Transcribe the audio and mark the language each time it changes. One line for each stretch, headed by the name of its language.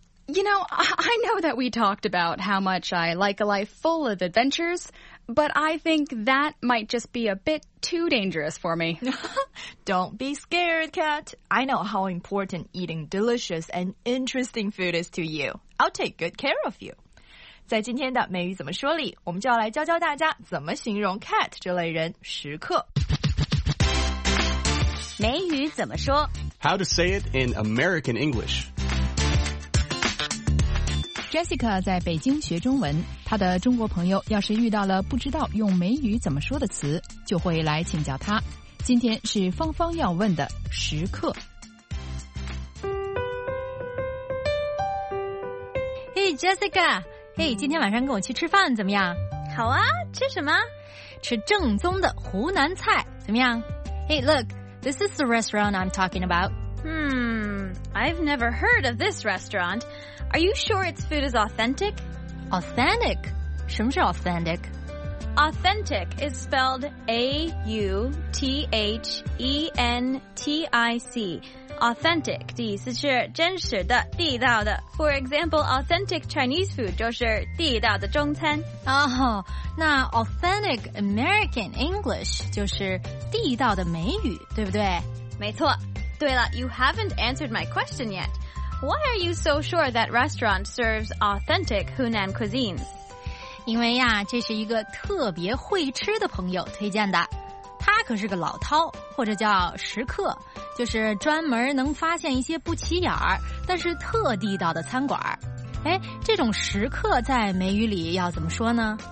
English: You know, I know that we talked about how much I like a life full of adventures, but I think that might just be a bit too dangerous for me. Don't be scared, Kat. I know how important eating delicious and interesting food is to you. I'll take good care of you.
Chinese: 在今天的美语怎么说里，我们就要来教教大家怎么形容 Kat 这类人时刻。美语怎么说？
English: How to say it in American English.
Chinese: Jessica 在北京学中文，她的中国朋友要是遇到了不知道用美语怎么说的词，就会来请教她。今天是芳芳要问的时刻。 Hey Jessica， hey， 今天晚上跟我去吃饭怎么样？好啊，吃什么？吃正宗的湖南菜，怎么样？
English: Hey look， this is the restaurant I'm talking about. I've never heard of this restaurant. Are you sure its food is authentic?
Chinese: Authentic? 什么是 authentic?
English: Authentic is spelled A-U-T-H-E-N-T-I-C.
Chinese: Authentic 的意思是真实的、地道的。
English: For example, authentic Chinese food
Chinese: 就是地道的中餐。哦，那 authentic American English 就是地道的美语，对不对？没错。对了，
English: you haven't answered my question yet. Why are you so sure that restaurant serves authentic Hunan cuisine?
Chinese: 因为呀，这是一个特别会吃的朋友推荐的。他可是个老饕，或者叫食客，就是专门能发现一些不起眼儿，但是特地道的餐馆。哎，这种食客在美语里要怎么说呢？